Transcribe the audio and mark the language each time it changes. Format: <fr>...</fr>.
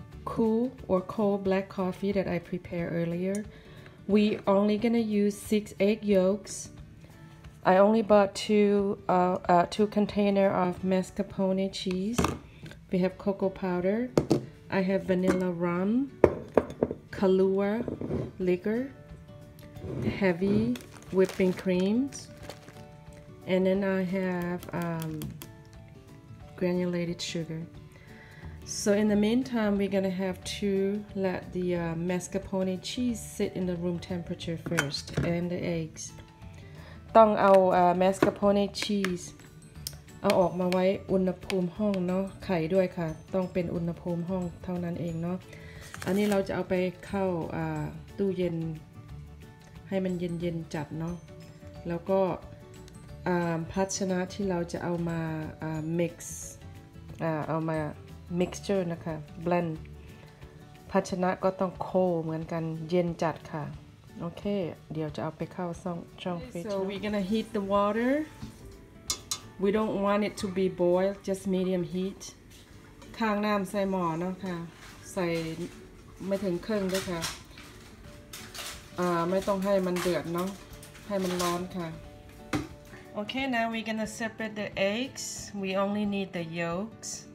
<en>cool or cold black coffee that I prepared earlier we only gonna use 6 egg yolks I only bought two container of mascarpone cheese we have cocoa powder I have vanilla rum Kahlua liquor heavyWhipping creams, and then I have granulated sugar. So in the meantime, we're gonna have to let the mascarpone cheese sit in the room temperature first, and the eggs.</en> <th>ต้องเอา mascarpone cheese เอาออกมาไว้อุณหภูมิห้องเนาะไข่ด้วยค่ะต้องเป็นอุณหภูมิห้องเท่านั้นเองเนาะอันนี้เราจะเอาไปเข้าตู้เย็นให้มันเย็นๆจัดเนาะแล้วก็ ภาชนะที่เราจะเอามา mix เอามา mixture นะคะ blend ภาชนะก็ต้อง cold เหมือนกันเย็นจัดค่ะโอเคเดี๋ยวจะเอาไปเข้าช่องฟรีจ</th> <en>so we're gonna heat the water we don't want it to be boiled just medium heat</en> <th>ข้างน้ำใส่หม้อเนาะค่ะใส่ไม่ถึงครึ่งด้วยค่ะไม่ต้องให้มันเดือดเนาะให้มันร้อนค่ะ</th> <en>โอเค now we're gonna separate the eggs we only need the yolks</en>